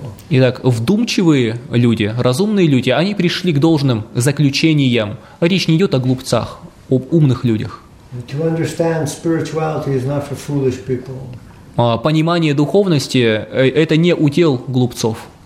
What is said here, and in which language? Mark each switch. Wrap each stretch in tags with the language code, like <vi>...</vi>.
<ru>Итак, вдумчивые люди, разумные люди, они пришли к должным заключениям. Речь не идет о глупцах, об умных людях.</ru> <en>To understand spirituality is not for foolish people.</en> <ru>Понимание духовности – это не удел глупцов.</ru>